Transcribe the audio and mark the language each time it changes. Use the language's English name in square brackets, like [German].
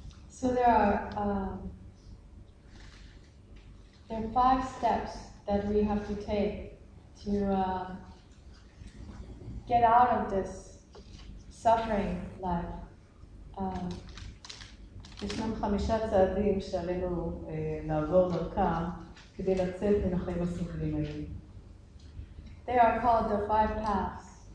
[English] So there are five steps that we have to take to get out of this suffering life. [Hebrew] ישנם חמישה צעדים שעלינו לעבור דרכם כדי לצאת מן החיים הסובלים האלה. [English] They are called the five paths.